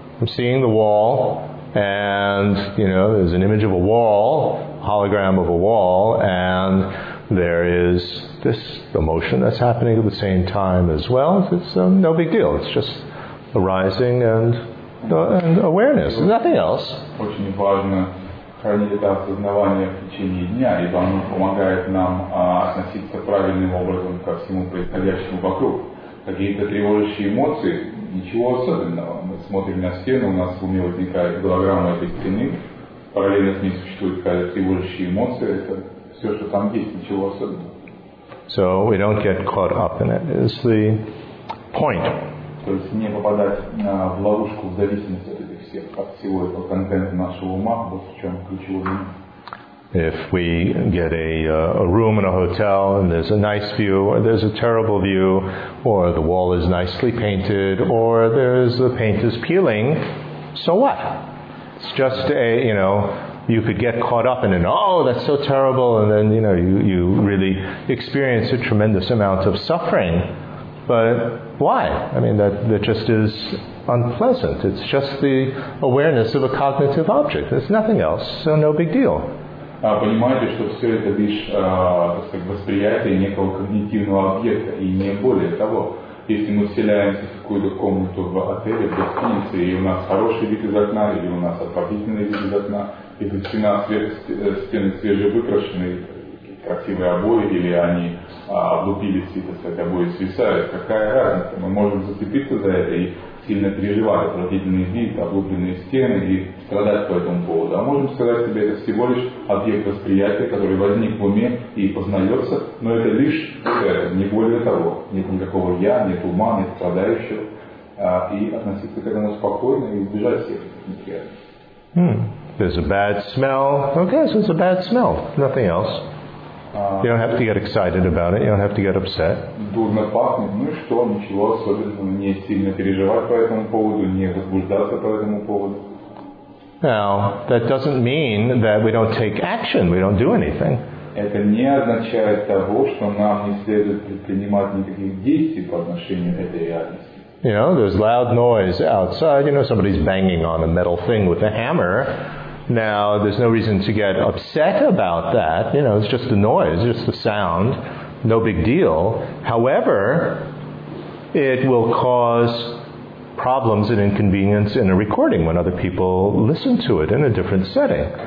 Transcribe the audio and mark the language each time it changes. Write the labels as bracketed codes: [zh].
[en] I'm seeing the wall, and, you know, there's an image of a wall, hologram of a wall, and there is this emotion that's happening at the same time as well. It's no big deal. It's just arising and awareness, and nothing else. [ru] Очень важно хранить это осознавание в течение дня, ибо оно помогает нам относиться правильным образом ко всему происходящему вокруг. Какие-то тревожащие эмоции, ничего особенного. Мы смотрим на стену, у нас в уме возникает голограмма этой стены, параллельно с ней существует какая-то тревожащая эмоция, это все, что там есть, ничего особенного. [en] So we don't get caught up in it. It's the point. [ru] То есть не попадать в ловушку в зависимости от этих всех, от всего этого контента нашего ума, вот в чем ключевой. [en] If we get a room in a hotel and there's a nice view, or there's a terrible view, or the wall is nicely painted, or there's the paint is peeling, so what? It's just you could get caught up in it. Oh, that's so terrible, and then you really experience a tremendous amount of suffering. But why? I mean, that just is unpleasant. It's just the awareness of a cognitive object. There's nothing else, so no big deal. [ru] Понимаете, что все это лишь восприятие некого когнитивного объекта и не более того. Если мы вселяемся в какую-то комнату в отеле, в гостинице, и у нас хороший вид из окна, или у нас отвратительный вид из окна, или стены свежевыкрашены, красивые обои, или они облупились, и обои свисают, какая разница? Мы можем зацепиться за это и сильно переживать отвратительный вид, облупленные стены и страдать по этому поводу. А можем сказать себе, это всего лишь объект восприятия, который возник в уме и познается, но это лишь это, не более того. Нет никакого я, нет ума, нет страдающего. И относиться к этому спокойно и избежать всех неприятностей. [en] There's a bad smell. Okay, so it's a bad smell. Nothing else. You don't have to get excited about it. You don't have to get upset. [ru] Дурно пахнет. Ну и что? Ничего особенного. Не сильно переживать по этому поводу, не возбуждаться по этому поводу. [en] Now, that doesn't mean that we don't take action. We don't do anything. [ru] Это не означает того, что нам не следует предпринимать никаких действий по отношению к этой реальности. [en] You know, there's loud noise outside. You know, somebody's banging on a metal thing with a hammer. Now, there's no reason to get upset about that. You know, it's just the noise, just the sound. No big deal. However, it will cause problems and inconvenience in a recording when other people listen to it in a different setting.